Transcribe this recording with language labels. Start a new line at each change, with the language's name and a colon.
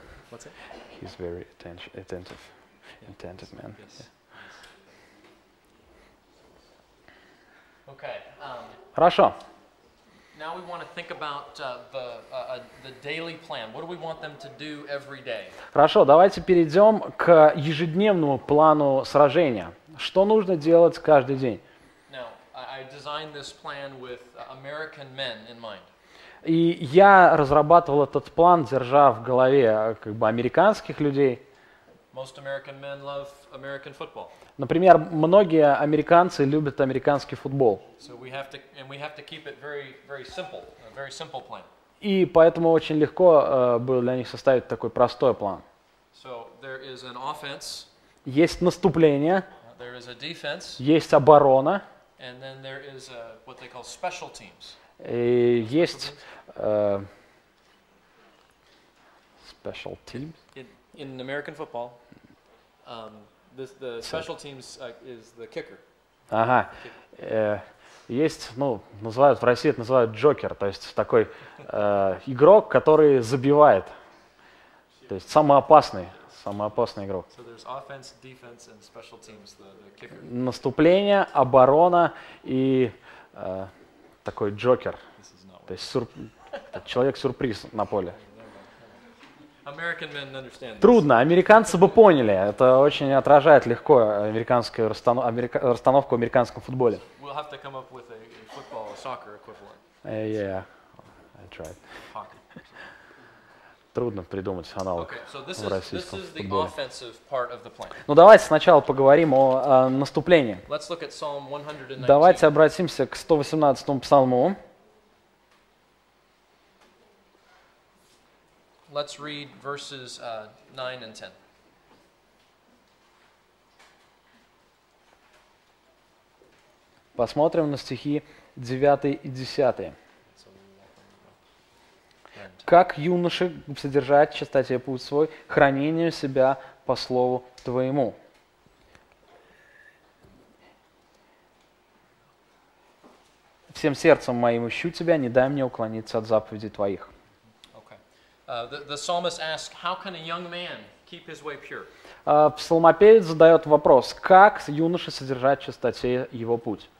English: What's it? He's very attentive. Yeah. Intensive man. Yes. Yeah. Okay.
Russian: Хорошо.
English: Now we want to think about the daily plan. What do we want them to do every day?
Russian: Хорошо, давайте перейдем к ежедневному плану сражения. Что нужно делать каждый день?
English: Now, I designed this plan with American men in mind.
Russian: И я разрабатывал этот план, держа в голове как бы американских людей.
English: Most American men love American football.
Russian: Например, многие американцы любят американский футбол.
English: So we have to, and we have to keep it very, very simple, a very simple plan.
Russian: И поэтому очень легко было для них составить такой простой план.
English: So there is an offense.
Russian: Есть наступление.
English: There is a defense.
Russian: Есть оборона.
English: And then there is a, what they call special teams.
Russian: И есть special teams.
English: In American football, the special teams is the kicker.
Russian: Ага. Kicker. Есть, ну, называют в России, это называют джокер, то есть такой игрок, который забивает. То есть самый опасный игрок.
English: So there's offense, defense, and special teams, the kicker.
Russian: Наступление, оборона и такой джокер. То есть человек-сюрприз на поле.
English: American men understand this.
Russian: Трудно, американцы бы поняли. Это очень отражает легко американскую расстановку в американском футболе.
English: We'll have to come up with a football, a soccer equivalent. Yeah, I tried.
Russian: Трудно придумать аналог в российском футболе. Ну давайте сначала поговорим о наступлении.
English: Let's look at Psalm 119.
Russian: Давайте обратимся к 118-му псалму.
English: Let's read verses 9 and 10.
Russian: Посмотрим на стихи 9 и 10. Как юноши содержать в чистоте путь свой, хранение себя по слову твоему. Всем сердцем моим ищу тебя, не дай мне уклониться от заповедей твоих.
English: The psalmist asks, "How can a young man keep his way pure?"
Russian: Псалмопевец задает вопрос, как юноша содержать в чистоте его путь?